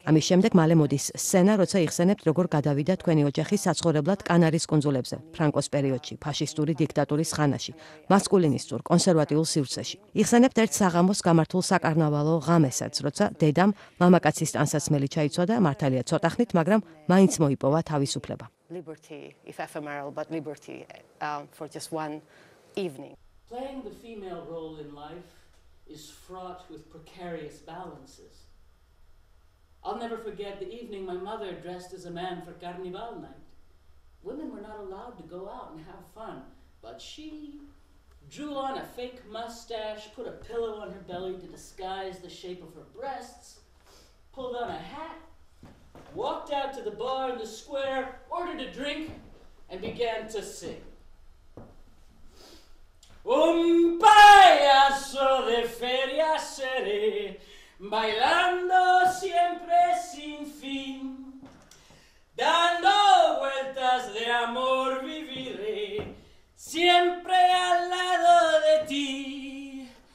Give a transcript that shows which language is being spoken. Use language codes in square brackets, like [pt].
[ka] ამის შემდეგ მალე მოდის სცენა, როცა იხსენებთ, როგორ გადავიდა თქვენი ოჯახი საცხოვრებლად კანარის კუნძულებზე, ფრანკოს პერიოდში, ფაშისტური დიქტატურის ხანაში, მასკულინისტურ, კონსერვატიულ სივრცეში. იხსენებთ ერთ საღამოს გამართულ საკარნავალო ღამესაც, როცა დედამ მამაკაცის ტანსაცმელი ჩაიცოდა, მართალია ცოტა ხნით, მაგრამ მაინც მოიპოვა თავისუფლება. [en] Liberty, if ephemeral, but liberty for just one evening. Playing the female role in life is fraught with precarious balances. I'll never forget the evening my mother dressed as a man for Carnival night. Women were not allowed to go out and have fun, but she drew on a fake mustache, put a pillow on her belly to disguise the shape of her breasts, pulled on a hat, walked out to the bar in the square, ordered a drink, and began to sing. [es] Un payaso de feria seré, bailando siempre sin fin, dando vueltas de amor viviré, siempre al lado de ti.